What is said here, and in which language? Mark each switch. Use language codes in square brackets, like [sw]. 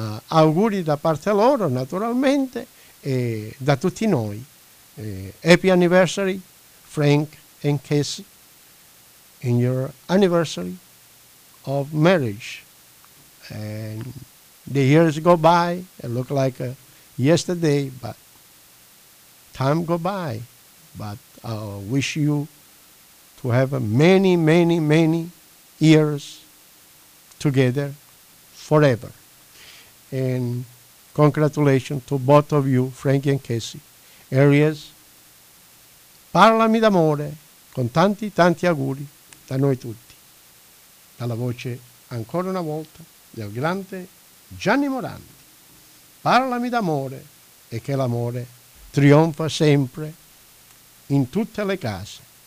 [it] Auguri da parte loro naturalmente e da tutti noi. [en] Happy anniversary, Frank and Casey, in your anniversary of marriage. And the years go by, it looked like yesterday, but time go by. But I wish you to have many, many, many years together forever. And congratulations to both of you, Frankie and Casey. [it] Arias, parlami d'amore, con tanti tanti auguri da noi tutti, dalla voce ancora una volta del grande Gianni Morandi. Parlami d'amore e che l'amore trionfa sempre in tutte le case.